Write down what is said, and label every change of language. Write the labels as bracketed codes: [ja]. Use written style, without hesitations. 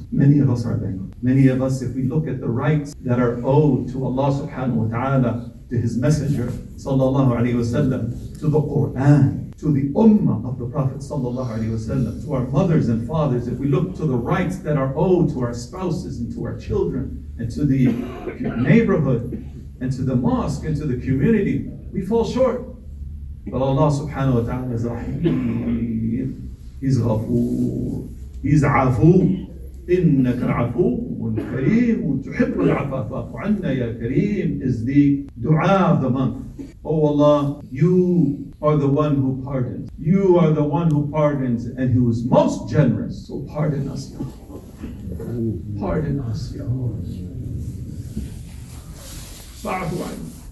[en] Many of us are bankrupt. Many of us, if we look at the rights that are owed to Allah subhanahu wa ta'ala, to His Messenger sallallahu alayhi wa sallam, to the Qur'an, to the Ummah of the Prophet sallallahu alayhi wa sallam, to our mothers and fathers, if we look to the rights that are owed to our spouses and to our children and to the neighborhood and to the mosque and to the community, we fall short. But Allah subhanahu wa ta'ala is Rahim. He's Ghafoor. He's Afu. [ar] إِنَّكَ عَفُوٌ كَرِيمٌ تُحِبُّ الْعَفَا فَاعْفُ عَنَّا يَا كَرِيمٌ [en] is the dua of the month. Oh Allah, You are the one who pardons. You are the one who pardons and who is most generous. So pardon us, Ya Allah. Pardon us, Ya Allah. [ar] فَاعْفُ عَنَّا.